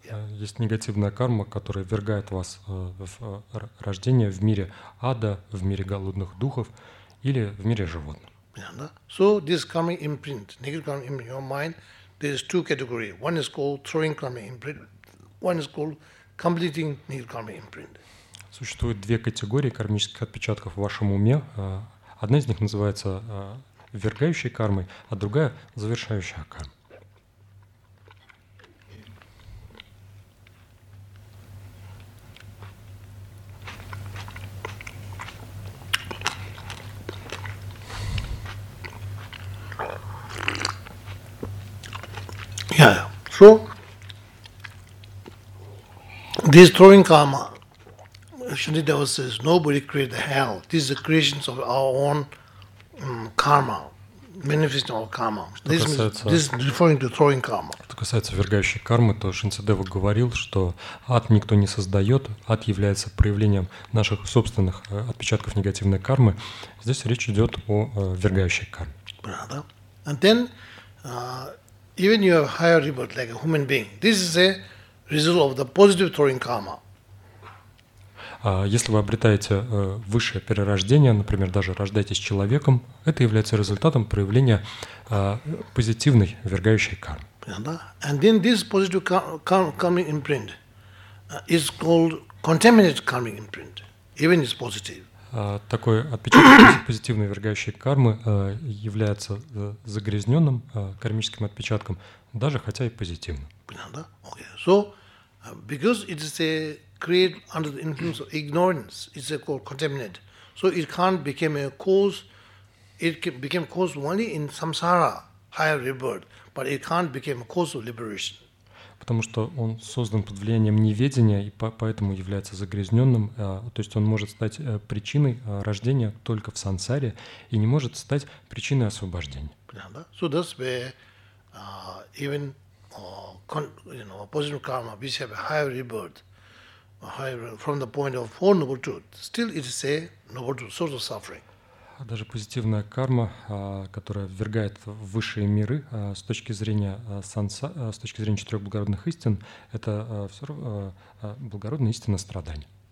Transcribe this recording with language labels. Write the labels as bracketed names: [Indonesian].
[Russian] Есть негативная карма, которая ввергает вас в рождение в мире ада, в мире голодных духов или в мире животных. [English] So this karma imprint, negative karma imprint in your mind, there's two categories. One is called throwing karma imprint, one is called completing negative karma imprint. [Russian] Существует две категории кармических отпечатков в вашем уме. Одна из них называется ввергающей кармой, а другая – завершающая карма. [English] Yeah. So, this throwing karma, Shantideva says, nobody created the hell. This is the creations of our own karma, manifesting our karma. This is referring to throwing karma. [Russian] Что касается ввергающей кармы, то Шантидева говорил, что ад никто не создает, ад является проявлением наших собственных отпечатков негативной кармы. Здесь речь идет о ввергающей карме. [English] Brother. And then, even you have higher rebirth, like a human being, this is a result of the positive throwing karma. [Russian] Если вы обретаете высшее перерождение, например, даже рождаетесь человеком, это является результатом проявления позитивной ввергающей кармы. [English] And then this positive karmic imprint is called contaminated karmic imprint, even if it's positive. [Russian] Такой отпечаток позитивной ввергающей кармы является загрязненным кармическим отпечатком, даже хотя и позитивным. [English] Okay. So, because it is a created under the influence of ignorance, it's a called contaminated. So it can't become a cause. It can become cause only in samsara, higher rebirth, but it can't become a cause of liberation. [Russian] Потому что он создан под влиянием неведения и поэтому является загрязненным. То есть он может стать причиной рождения только в сансаре и не может стать причиной освобождения. [English] So that's where even positive karma, we have a higher rebirth, from the point of four noble truths, still it is a noble truth, source of suffering. [Russian] Даже позитивная карма, которая ввергает в высшие миры с точки зрения санса, с точки зрения четырех благородных истин, это все равно благородная истина страданий.